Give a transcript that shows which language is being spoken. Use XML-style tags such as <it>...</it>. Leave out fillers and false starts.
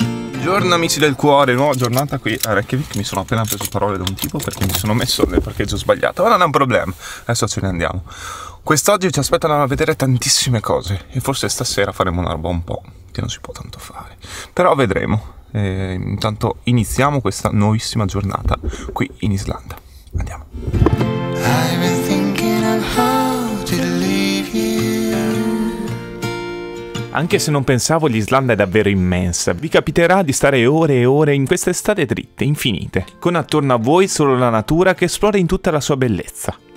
<it>Buongiorno amici del cuore, nuova giornata qui a Reykjavik. Mi sono appena preso parole da un tipo perché mi sono messo nel parcheggio sbagliato, ma non è un problema, adesso ce ne andiamo. Quest'oggi ci aspettano a vedere tantissime cose e forse stasera faremo una roba un po' che non si può tanto fare, però vedremo. Intanto iniziamo questa nuovissima giornata qui in Islanda, andiamo.</it> <en>I've been thinking of how to leave you.</en> <it>Anche se non pensavo, l'Islanda è davvero immensa. Vi capiterà di stare ore e ore in queste strade dritte, infinite, con attorno a voi solo la natura che esplora in tutta la sua bellezza.</it>